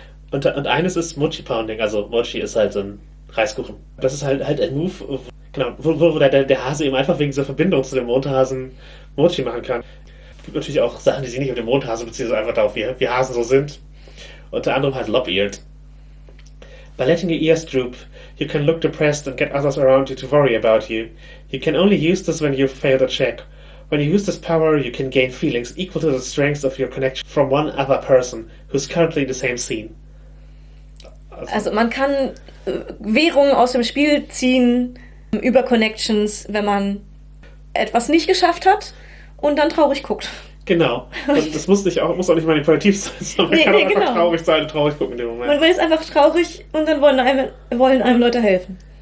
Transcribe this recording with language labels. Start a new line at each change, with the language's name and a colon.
German: Und eines ist Mochi Pounding, also Mochi ist halt so ein Reiskuchen. Das ist halt ein Move, genau, wo der Hase eben einfach wegen dieser Verbindung zu dem Mondhasen Mochi machen kann. Es gibt natürlich auch Sachen, die sich nicht auf den Mondhasen beziehen, sondern einfach darauf, wie Hasen so sind. Unter anderem halt Lop-Eared.
English: By letting your ears droop, you can look depressed and get others around you to worry about you. You can only use this when you fail the check. When you use this power, you can gain feelings equal to the strength of your connection from one other person who's currently in the same scene.
German: Also man kann Währung aus dem Spiel ziehen über Connections, wenn man etwas nicht geschafft hat und dann traurig guckt. Genau. Das muss auch nicht manipulativ sein, sondern man kann auch einfach genau traurig sein und traurig gucken in dem Moment. Man ist einfach traurig und dann wollen einem Leute helfen.